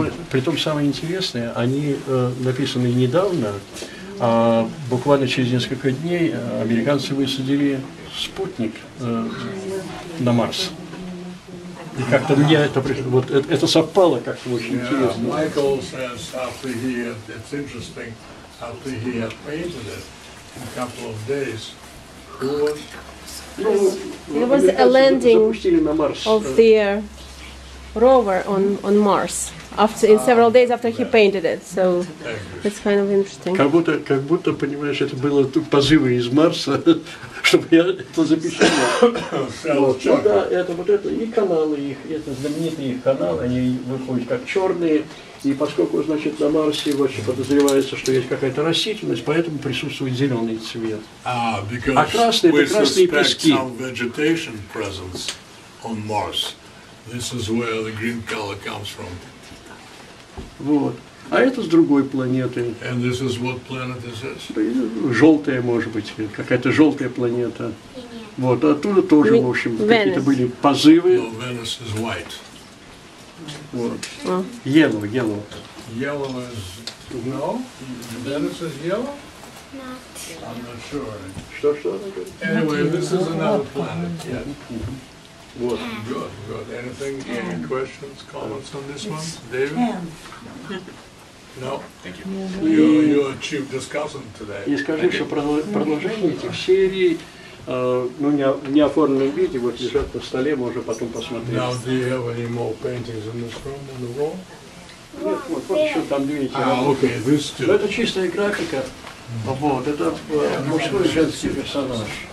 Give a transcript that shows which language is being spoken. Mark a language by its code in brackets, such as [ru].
[ru] При том самое интересное, они написаны недавно, а буквально через несколько дней американцы высадили спутник на Марс. И как-то мне это пришло. Вот это совпало как-то очень интересно. [en] Michael says after he had, it's interesting, after he had painted it in a couple of days, who was? It was a landing of the rover on Mars after in several days after he painted it. So it's kind of interesting. [ru] Как будто понимаешь, это было позывы из Марса. Чтобы я это запечатлел. И каналы их, это знаменитые их каналы, они выходят как черные. И поскольку, значит, на Марсе вообще подозревается, что есть какая-то растительность, поэтому присутствует зеленый цвет. А красный – это красные пески. [en] Some vegetation presence on Mars. This is where the green color comes from. [ru] Вот. А это с другой планеты. [en] And this is what planet is this? [ru] Желтая, может быть, какая-то желтая планета. Вот, оттуда тоже, в общем, какие-то были позывы. [en] No, Venus is white. [ru] Вот. [en] Yellow. Yellow is... No? Venus is yellow? Not. I'm not sure. [ru] Что? [en] Anyway, this is another planet. Yeah. What? Good, good. Anything, ten. Any questions, comments on this it's one? David? Ten. No. Thank you. You achieved discussion today. [ru] И скажи, что продолжение этих серий, ну, не оформленном виде, вот лежат на столе, можно потом посмотреть. [en] Now, do you have any more paintings in this room, on the wall? [ru] Нет, вот еще там две эти работы. [en] Okay, this too. [ru] Это чистая графика. Mm-hmm. Вот, это мужской женский персонаж.